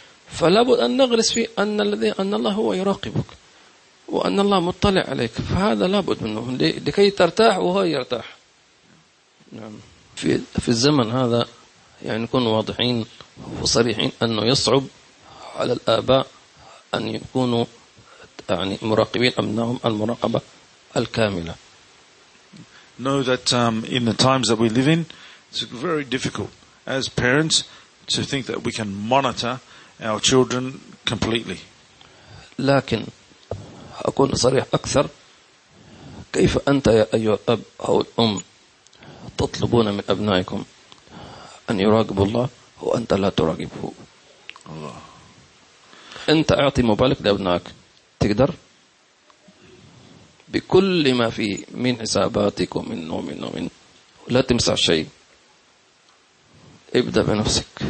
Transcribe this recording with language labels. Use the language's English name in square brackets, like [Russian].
[Arabic] فلا بد أن نغرس في أن الذي أن الله هو يراقبك وأن الله مطلع عليك، فهذا لا بد منه لكي ترتاح وهو يرتاح. نعم. في الزمن هذا يعني نكون واضحين وصريحين أنه يصعب على الآباء أن يكونوا يعني مراقبين أبنائهم المراقبة الكاملة. [English] Know that in the times that we live in, it's very difficult as parents to think that we can monitor our children completely. [Arabic] لكن أكون صريح أكثر، كيف أنت يا أيها الأب أو الأم تطلبون من أبنائكم أن يراقبوا الله وأنت لا تراقبه؟ الله. أنت أعطي موبايلك لأبنائك تقدر بكل ما فيه من حساباتك ومن لا تمسع شيء، ابدأ بنفسك.